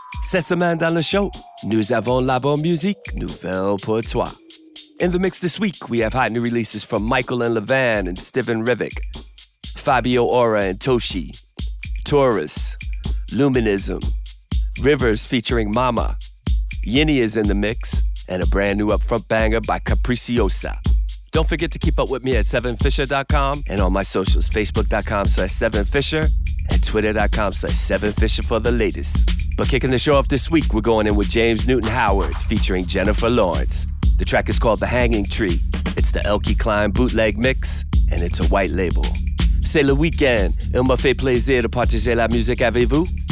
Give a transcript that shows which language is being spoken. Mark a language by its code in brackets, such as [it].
[fr] Cette semaine dans le show, nous avons la bonne musique nouvelle pour toi. [en] In the mix this week, we have hot new releases from Michael and Levan and Steven Rivick, Fabio Aura and Toshi, Taurus, Luminism, Rivers featuring Mama, Yinny is in the mix, and a brand new upfront banger by Capriciosa. Don't forget to keep up with me at 7fisher.com and on my socials, facebook.com/7fisher and twitter.com/7fisher for the latest. But kicking the show off this week, we're going in with James Newton Howard featuring Jennifer Lawrence. The track is called The Hanging Tree. It's the Elke Klein bootleg mix, and it's a white label. [fr] C'est le week-end. Il me fait plaisir de partager la musique avec vous.